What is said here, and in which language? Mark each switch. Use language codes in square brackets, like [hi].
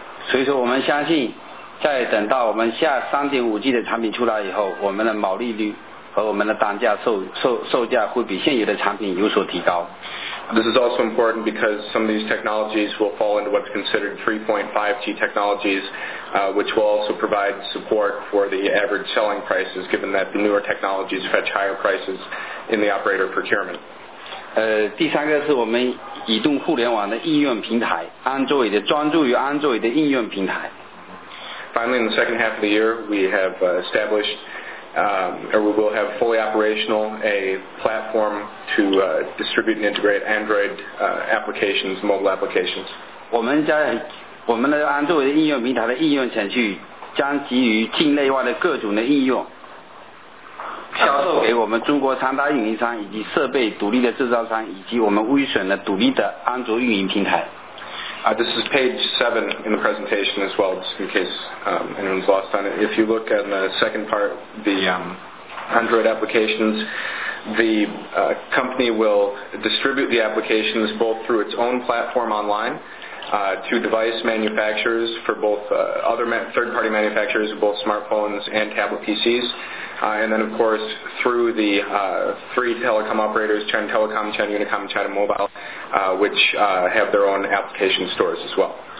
[zh] 所以说我们相信在等到我们下 3.5G 的产品出来以后，我们的毛利率和我们的单价售价会比现有的产品有所提高。 [en] This is also important because some of these technologies will fall into what's considered 3.5G technologies, which will also provide support for the average selling prices, given that the newer technologies fetch higher prices in the operator procurement. [zh] 第三个是我们移动互联网的应用平台 ，Android 的专注于 Android 的应用平台。 [en] Finally, in the second half of the year, we have established or we will have fully operational a platform to distribute and integrate Android applications, mobile applications. [zh] 我们的 Android 应用平台的应用程序将基于境内外的各种的应用 销售给我们中国三大运营商以及设备独立的制造商以及我们微软的独立的安卓运营平台。 [en] This is page 7 in the presentation as well, just in case anyone's lost on it. If you look at the second part, the Android applications, the company will distribute the applications both through its own platform online, to device manufacturers for both other third-party manufacturers of both smartphones and tablet PCs, and then, of course, through the three telecom operators, China Telecom, China Unicom, China Mobile, which have their own application stores as well.